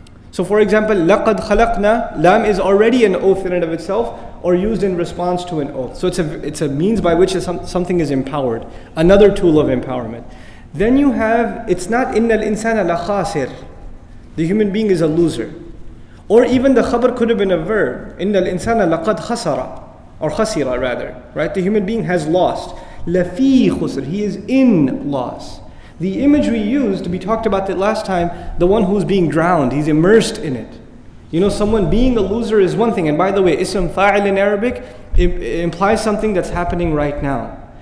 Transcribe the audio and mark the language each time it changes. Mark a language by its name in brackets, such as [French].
[English] So for example, [Arabic] laqad khalaqna, [English] lam is already an oath in and of itself, or used in response to an oath. So it's a means by which something is empowered. Another tool of empowerment. Then you have, it's not [Arabic] innal insana la khasir. [English] The human being is a loser. Or even the khabar could have been a verb. [Arabic] إِنَّ الْإِنسَانَ لَقَدْ خَسَرَ [English] or [Arabic] خَسِرَ [English] rather, right? The human being has lost. [Arabic] لَفِي خُسْر. [English] He is in loss. The imagery used, we talked about it last time, the one who's being drowned, he's immersed in it. You know, someone being a loser is one thing. And by the way, ism fa'il in Arabic, it implies something that's happening right now.